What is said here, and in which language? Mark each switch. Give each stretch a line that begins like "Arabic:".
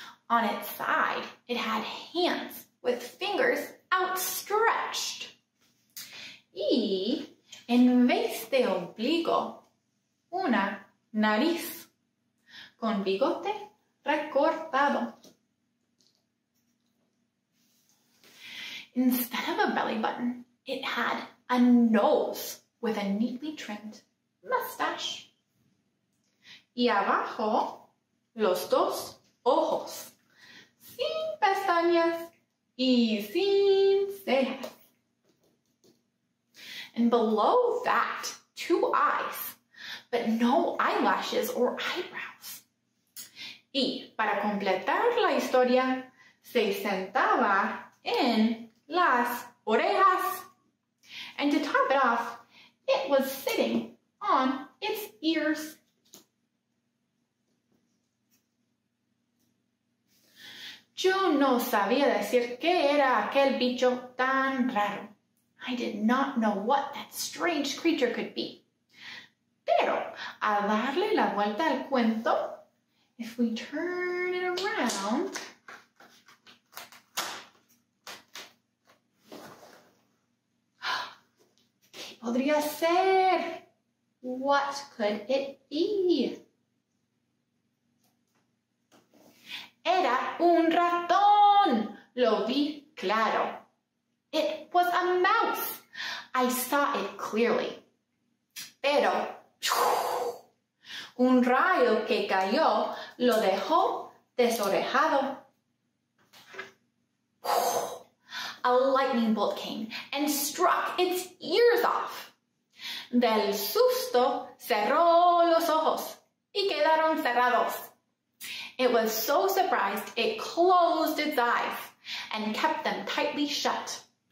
English: On its side, it had hands with fingers outstretched.
Spanish: Y en vez de ombligo, una nariz con bigote recortado.
English: Instead of a belly button, it had a nose with a neatly trimmed mustache.
Spanish: Y abajo, los dos ojos, sin pestañas y sin cejas.
English: And below that, two eyes, but no eyelashes or eyebrows.
Spanish: Y para completar la historia, se sentaba en las orejas.
English: And to top it off, it was sitting on its ears.
Spanish: Yo no sabía decir qué era aquel bicho tan raro.
English: I did not know what that strange creature could be.
Spanish: Pero, a darle la vuelta al cuento,
English: if we turn it around,
Spanish: ¿qué podría ser?
English: What could it be?
Spanish: Era un ratón. Lo vi claro.
English: It was a mouse. I saw it clearly.
Spanish: Pero, un rayo que cayó lo dejó desorejado.
English: A lightning bolt came and struck its ears off.
Spanish: Del susto, cerró los ojos y quedaron cerrados.
English: It was so surprised, it closed its eyes and kept them tightly shut.